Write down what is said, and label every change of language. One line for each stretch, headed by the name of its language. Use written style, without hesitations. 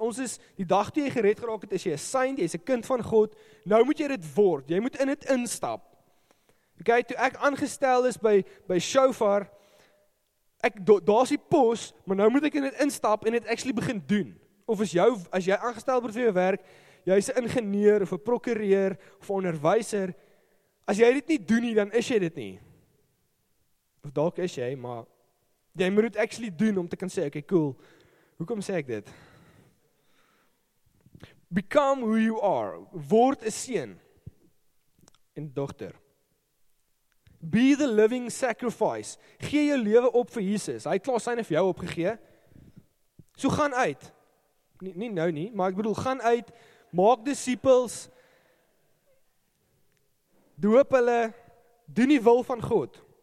Afrikaans: Ons is, die dag die jy gered geraak het, is jy 'n saint, jy is 'n kind van God. Nou moet jy dit word, jy moet in dit instap. Ok, toe ek aangestel is by Shofar, daar is die pos, maar nou moet ek in het instap en het actually begin doen. Of as jy aangestel word vir jou werk, jy is 'n ingenieur of 'n prokureur of 'n onderwyser, as jy dit nie doen nie, dan is jy dit nie. Of dalk is jy, maar jy moet het actually doen om te kan sê, ok, cool, hoekom sê ek dit?
English: Become who you are,
Afrikaans: word 'n seun en dogter.
English: Be the living sacrifice.
Afrikaans: Gee jou lewe op vir Jesus. Hy het klaar syne vir jou opgegee. So gaan uit. Nie nou nie, maar ek bedoel, gaan uit, maak disciples, doop hulle, doen die wil van God.